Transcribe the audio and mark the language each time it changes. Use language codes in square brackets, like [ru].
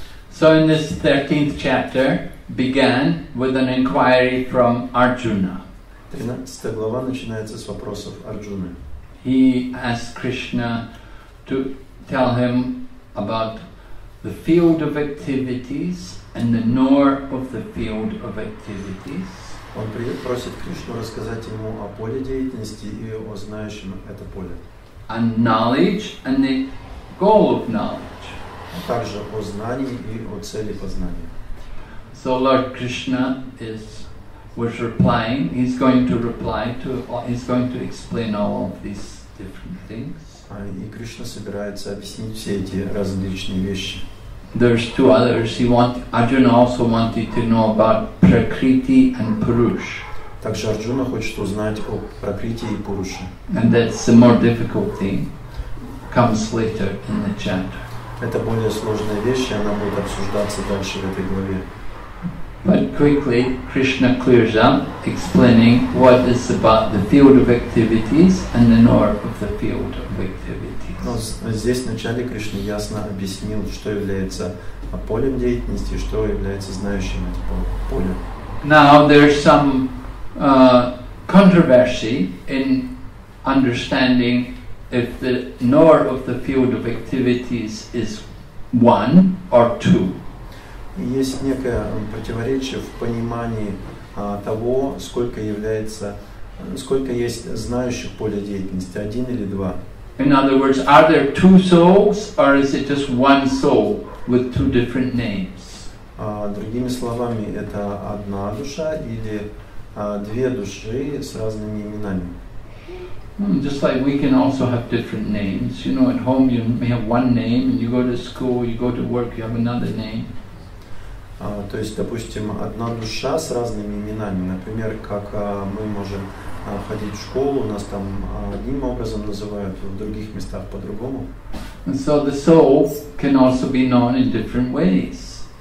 [en] So in this 13th chapter began with an inquiry from Arjuna. [ru] 13 глава начинается с вопросов Арджуны. [en] He asked Krishna to tell him about the field of activities and the knower of the field of activities. [ru] Он просит Кришну рассказать ему о поле деятельности и о знающем это поле. [en] And knowledge and the goal of knowledge. [ru] Также о знании и о цели познания. [en] So Lord Krishna was replying. He's going to reply to. He's going to explain all of these different things. [ru] И Кришна собирается объяснить все эти различные вещи. [en] There's two others. Arjuna also wanted to know about Prakriti and Purush. [ru] Также Арджуна хочет узнать о Пракрити и Пуруше. [en] And that's the more difficult thing. Comes later in the chapter. [ru] Это более сложная вещь, и она будет обсуждаться дальше в этой главе. [en] But quickly, Krishna clears up, explaining what is about the field of activities and the knower of the field of activities. [ru] Но здесь вначале Кришна ясно объяснил, что является полем деятельности, что является знающим это поле. [en] Now there's some controversy in understanding if the knower of the field of activities is one or two. [ru] Есть некое противоречие в понимании того, сколько есть знающих поле деятельности, один или два. [en] In other words, are there two souls, or is it just one soul with two different names? [ru] Другими словами, это одна душа или две души с разными именами. [en] Just like we can also have different names. You know, at home you may have one name, and you go to school, you go to work, you have another name. [ru] То есть, допустим, одна душа с разными именами. Например, как мы можем ходить в школу, нас там одним образом называют, в других местах по-другому. [en] And so the soul can also be known in different ways.